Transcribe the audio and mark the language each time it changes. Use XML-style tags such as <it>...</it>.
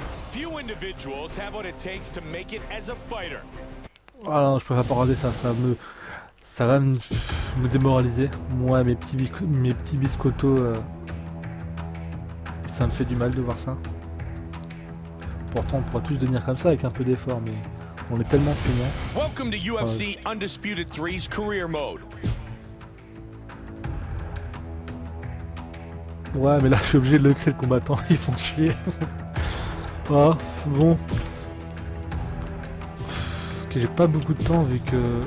<en>Few individuals have what it takes to make it as a fighter.</en> <fr>Ah non, je préfère pas regarder ça, ça va me démoraliser. Moi, mes petits biscottos. Ça me fait du mal de voir ça. Pourtant, on pourrait tous devenir comme ça avec un peu d'effort, mais on est tellement fainéants.</fr> <en>Welcome to UFC Undisputed 3's career mode.</en> <fr>Ouais, mais là, je suis obligé de le créer, le combattant. Ils font chier. Oh, bon. Parce que j'ai pas beaucoup de temps vu que.</fr>